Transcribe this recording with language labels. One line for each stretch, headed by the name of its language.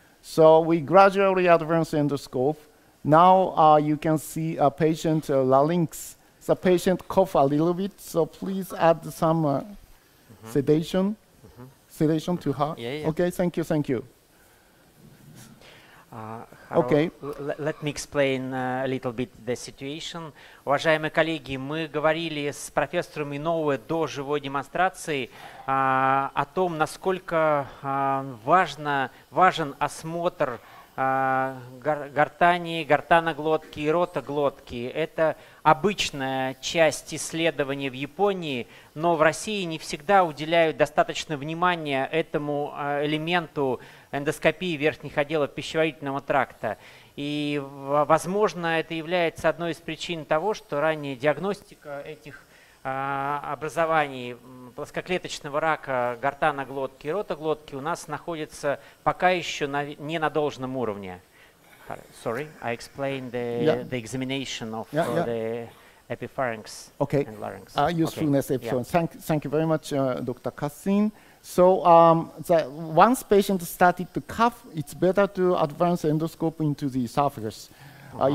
English: So we gradually advance endoscope. Now you can see a patient larynx. The patient cough a little bit, so please add some sedation. Mm-hmm. sedation to heart? Yeah. Okay, thank you, thank you. Okay. Let me explain a little bit the situation.
Russian: Уважаемые коллеги, мы говорили с профессором Иноуэ до живой демонстрации о том, насколько важен осмотр гортани, гортаноглотки и ротоглотки. Это обычная часть исследования в Японии, но в России не всегда уделяют достаточно внимания этому элементу эндоскопии верхних отделов пищеварительного тракта. И, возможно, это является одной из причин того, что ранняя диагностика этих образований плоскоклеточного рака гортаноглотки и ротоглотки у нас находится пока еще не на должном уровне.
English: Sorry, I explained the examination of the epipharynx and larynx. Okay, usefulness epipharynx. Thank you very much, Dr. Kassin. So once patient started to cough, it's better to advance endoscope into the esophagus. Uh-huh.